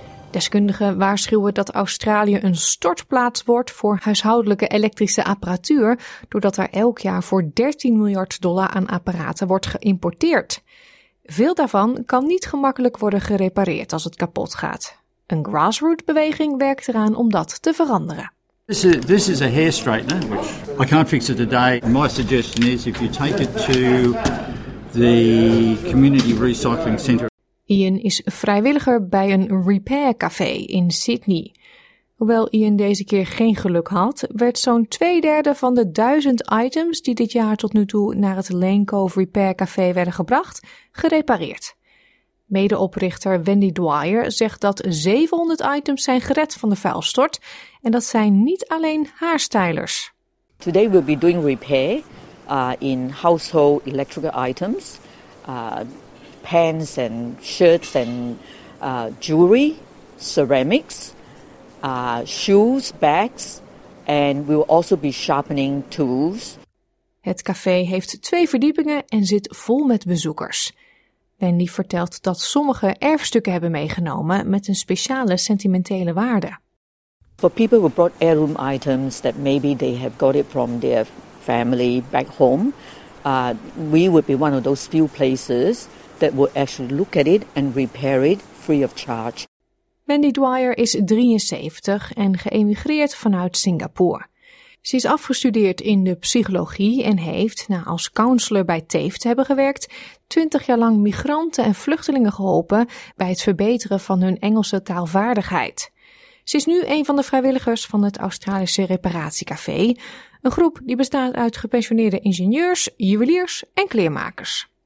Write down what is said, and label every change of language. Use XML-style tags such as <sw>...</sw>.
<nl>Deskundigen waarschuwen dat Australië een stortplaats wordt voor huishoudelijke elektrische apparatuur, doordat er elk jaar voor 13 miljard dollar aan apparaten wordt geïmporteerd. Veel daarvan kan niet gemakkelijk worden gerepareerd als het kapot gaat. Een grassroots-beweging werkt eraan om dat te veranderen.</nl> <en>This is a hair straightener, which I can't fix it today. My suggestion is if you take it to the community recycling center.</en> <nl>Ian is vrijwilliger bij een repair café in Sydney. Hoewel Ian deze keer geen geluk had, werd zo'n 2/3 van de 1000 items die dit jaar tot nu toe naar het Lane Cove Repair Café werden gebracht, gerepareerd. Medeoprichter Wendy Dwyer zegt dat 700 items zijn gered van de vuilstort en dat zijn niet alleen haarstylers.</nl> <en>Today we'll be doing repair in household electrical items, pants and shirts and jewelry, ceramics, shoes, bags and we'll also be sharpening tools.</en> <nl>Het café heeft 2 verdiepingen en zit vol met bezoekers. Wendy vertelt dat sommige erfstukken hebben meegenomen met een speciale sentimentele waarde.</nl> <en>For people who brought heirloom items that maybe they have got it from their family back home, we would be one of those few places that would actually look at it and repair it free of charge.</en> <nl>Wendy Dwyer is 73 en geëmigreerd vanuit Singapore. Ze is afgestudeerd in de psychologie en heeft, na als counselor bij TAFE te hebben gewerkt, 20 jaar lang migranten en vluchtelingen geholpen bij het verbeteren van hun Engelse taalvaardigheid. Ze is nu een van de vrijwilligers van het Australische Reparatiecafé, een groep die bestaat uit gepensioneerde ingenieurs, juweliers en kleermakers.</nl>